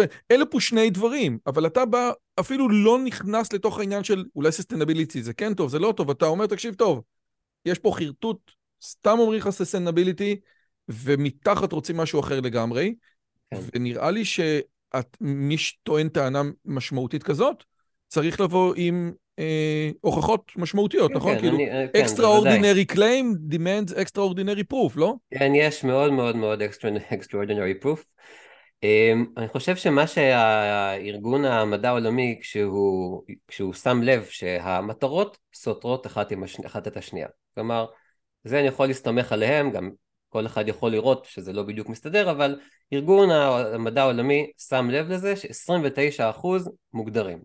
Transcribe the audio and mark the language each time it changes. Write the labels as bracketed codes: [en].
[he] אלה פה שני דברים, אבל אתה בא, אפילו לא נכנס לתוך העניין של אולי סיסטנביליטי, זה כן טוב, זה לא טוב, אתה אומר, תקשיב טוב, יש פה חרטוט, סתם אומרים לך סיסטנביליטי, ומתחת רוצים משהו אחר לגמרי, ונראה לי שמי שטוען טענה משמעותית כזאת, צריך לבוא עם הוכחות משמעותיות, נכון? כאילו, [en] extraordinary claim demands extraordinary proof, [he] לא? כן, יש מאוד מאוד מאוד [en] extraordinary proof. [he] אני חושב שמה שהארגון המדע העולמי, כשהוא שם לב שהמטרות סותרות אחת את השנייה. כלומר, זה אני יכול להסתמך עליהם, גם כל אחד יכול לראות שזה לא בדיוק מסתדר, אבל ארגון המדע העולמי שם לב לזה ש-29% מוגדרים.